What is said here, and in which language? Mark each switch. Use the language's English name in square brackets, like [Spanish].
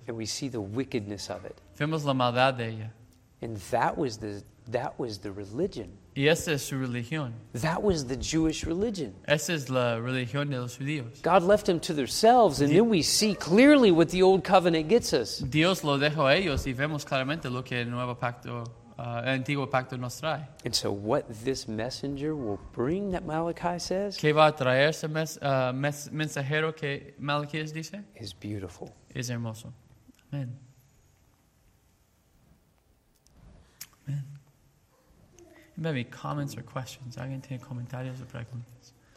[English] And we see the wickedness of it. [Spanish] Vemos la maldad de ella. [English] And that was That was the religion. [Spanish] Y esa es su religión. [English] That was the Jewish religion. [Spanish] Esa es la religión de los judíos. [English] God left them to themselves, and then we see clearly what the old covenant gets us. [Spanish] Dios lo dejó a ellos y vemos claramente lo que el nuevo pacto, el antiguo pacto nos trae. [English] And so, what this messenger will bring that Malachi says? [Spanish] ¿Qué va a traer ese mensajero que Malaquías dice? [English] Is beautiful. [Spanish] Es hermoso. Amen. [English] Maybe comments or questions. [Spanish] ¿Alguien tiene comentarios o preguntas?